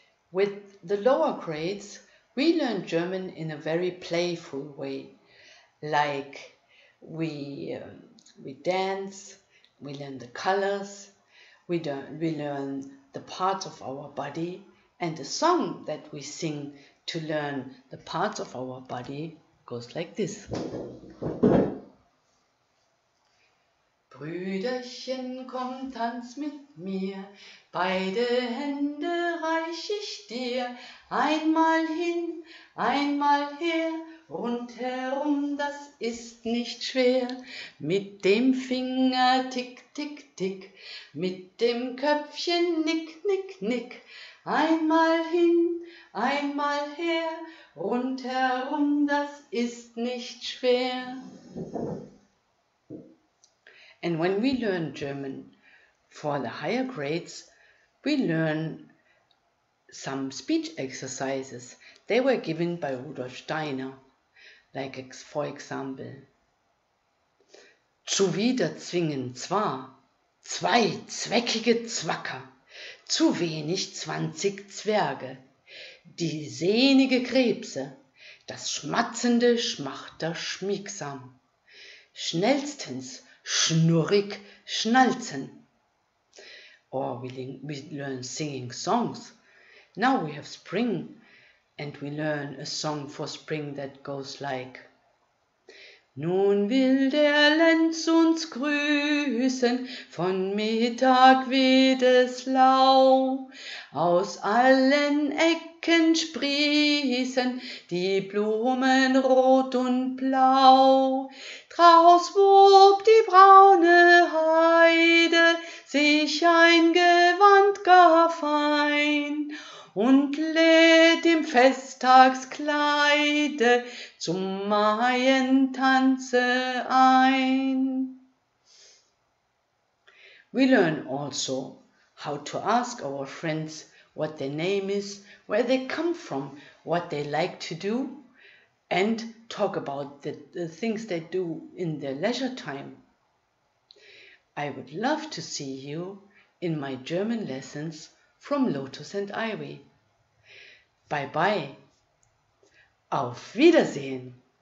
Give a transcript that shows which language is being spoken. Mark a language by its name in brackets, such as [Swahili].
[English] With the lower grades, we learn German in a very playful way, like we dance, we learn the colors, we learn the parts of our body, and the song that we sing to learn the parts of our body goes like this. [German] Brüderchen, komm, tanz mit mir, beide Hände reich ich dir, einmal hin, einmal her, rundherum, das ist nicht schwer. Mit dem Finger tick, tick, tick, mit dem Köpfchen nick, nick, nick, einmal hin, einmal her, rundherum, das ist nicht schwer. [English] And when we learn German for the higher grades, we learn some speech exercises. They were given by Rudolf Steiner, like for example, [German] zuwider zwingen zwar zwei zweckige Zwacker, zu wenig 20 Zwerge, die sehnige Krebse, das schmatzende Schmachter schmiegsam, schnellstens schnurrig schnalzen. [English] Or we learn singing songs. Now we have spring and we learn a song for spring that goes like: [German] Nun will der Lenz uns grüßen, von Mittag wird es lau, aus allen Ecken sprießen die Blumen rot und blau. Draus wob die braune Heide sich ein Gewand gar fein und lädt im Festtagskleide zum Maientanze ein. [English] We learn also how to ask our friends what their name is, where they come from, what they like to do, and talk about the things they do in their leisure time. I would love to see you in my German lessons from Lotus and Ivy. Bye bye. [German] Auf Wiedersehen.